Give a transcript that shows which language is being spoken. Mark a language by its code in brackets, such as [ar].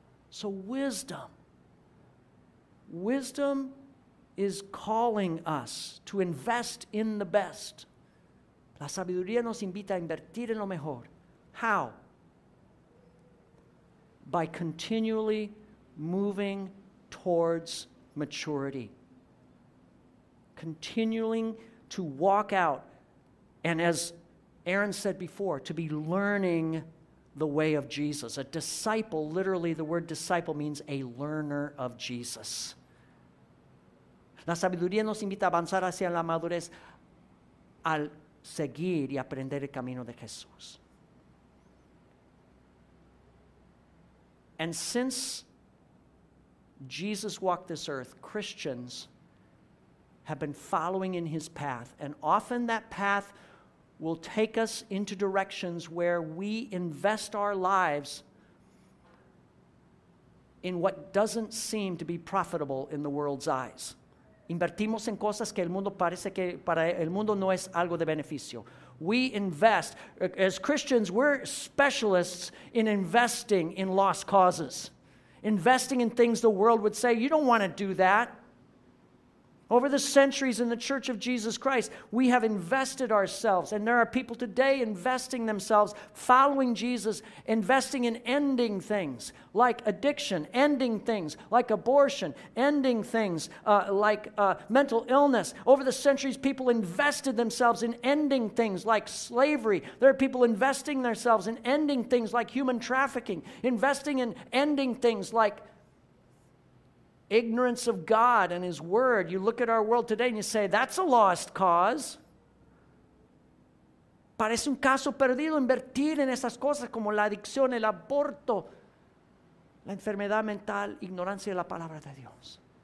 [en] So wisdom is calling us to invest in the best. [es] La sabiduría nos invita a invertir en lo mejor. [en] How? By continually moving towards maturity. Continuing to walk out, and as Aaron said before, to be learning the way of Jesus. A disciple, literally the word disciple means a learner of Jesus. [es] La sabiduría nos invita a avanzar hacia la madurez al seguir y aprender el camino de Jesús. [en] And since Jesus walked this earth, Christians have been following in His path, and often that path will take us into directions where we invest our lives in what doesn't seem to be profitable in the world's eyes. [es] Invertimos en cosas que el mundo parece que para el mundo no es algo de beneficio. [en] We invest, as Christians, we're specialists in investing in lost causes. Investing in things the world would say, you don't want to do that. Over the centuries in the Church of Jesus Christ, we have invested ourselves, and there are people today investing themselves, following Jesus, investing in ending things like addiction, ending things like abortion, ending things mental illness. Over the centuries, people invested themselves in ending things like slavery. There are people investing themselves in ending things like human trafficking, investing in ending things like ignorance of God and His Word. You look at our world today and you say, that's a lost cause. [es] Parece un caso perdido invertir en esas cosas como la adicción, el aborto, la enfermedad mental, ignorancia de la palabra de Dios.